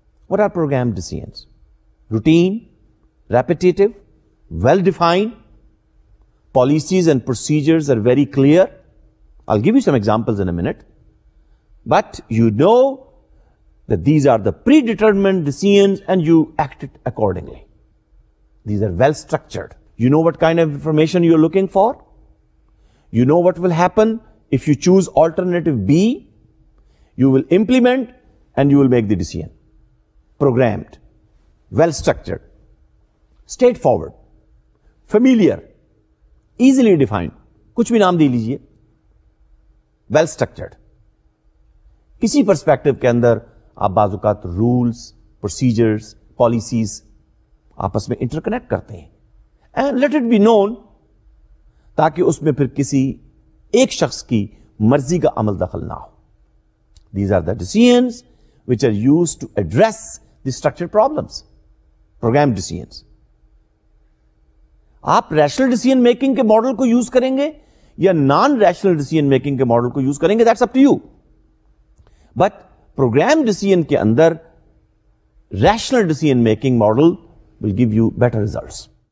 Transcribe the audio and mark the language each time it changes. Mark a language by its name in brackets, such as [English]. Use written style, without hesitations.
[English] What are program decisions? Routine, repetitive, well defined policies and procedures are very clear. I give you some examples in a minute, but you know that these are the predetermined decisions and you act it accordingly. These are well structured. You know what kind of information you are looking for. You know what will happen if you choose alternative B. You will implement and you will make the decision. Programmed, well structured, straightforward, familiar, easily defined. [Urdu] Kuch bhi naam de lijiye. [English] Well structured. [Urdu] Kisi perspective ke andar آپ بعض اوقات rules, procedures, policies آپس میں inter connect کرتے ہیں. [English] and let it be known, [Urdu] تاکہ اس میں پھر کسی ایک شخص کی مرضی کا عمل دخل نہ ہو. [English] These are the decisions which are use to address the structured problems, program decisions. [Urdu] آپ ریشنل ڈیسیژن میکنگ کے ماڈل کو یوز کریں گے یا نان ریشنل ڈیسیژن میکنگ کے ماڈل کو یوز کریں گے, [English] That's up to you. But program decision کے اندر rational decision making model will give you better results.